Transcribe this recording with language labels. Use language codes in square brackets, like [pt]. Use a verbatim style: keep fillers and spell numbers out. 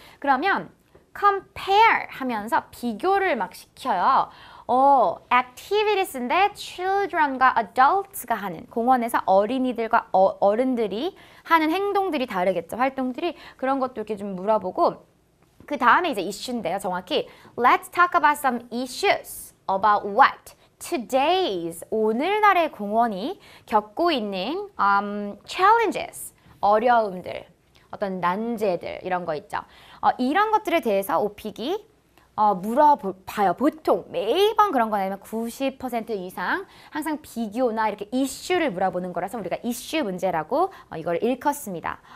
[ko] 그러면 compare 하면서 비교를 막 시켜요. 어, activities인데 children과 adults가 하는 공원에서 어린이들과 어, 어른들이 하는 행동들이 다르겠죠. 활동들이 그런 것도 이렇게 좀 물어보고 그 다음에 이제 이슈인데요. 정확히 [en] let's talk about some issues about what? [ko] Today's, 오늘날의 공원이 겪고 있는 um, challenges, 어려움들, 어떤 난제들 이런 거 있죠. 어, 이런 것들에 대해서 오픽이 어, 물어봐요. 보통 매번 그런 건 아니면 구십 퍼센트 이상 항상 비교나 이렇게 이슈를 물어보는 거라서 우리가 이슈 문제라고 어, 이걸 읽었습니다.